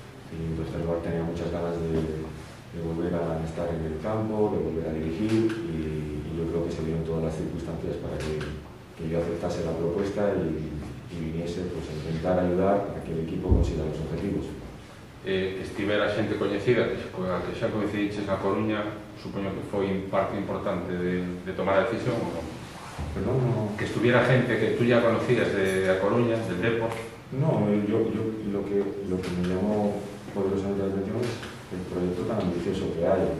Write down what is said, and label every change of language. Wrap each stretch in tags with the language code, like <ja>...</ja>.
<es>Y en tercer lugar, tenía muchas ganas de volver a estar en el campo, de volver a dirigir, y yo creo que se dieron todas las circunstancias para que yo aceptase la propuesta y viniese pues, a intentar ayudar a que el equipo consiga los objetivos.</es> <gl>Estivera xente coñecida que xa coincidiches na Coruña, supoño que foi parte importante de tomar a decisión, ou non?</gl> <es>Perdón, no. Que estuviera xente que tú ya conocías de Coruña, del Depor.</es> <gl>Non, yo lo que me llamou poderosamente a atención é o proyecto tan ambicioso que hai.</gl>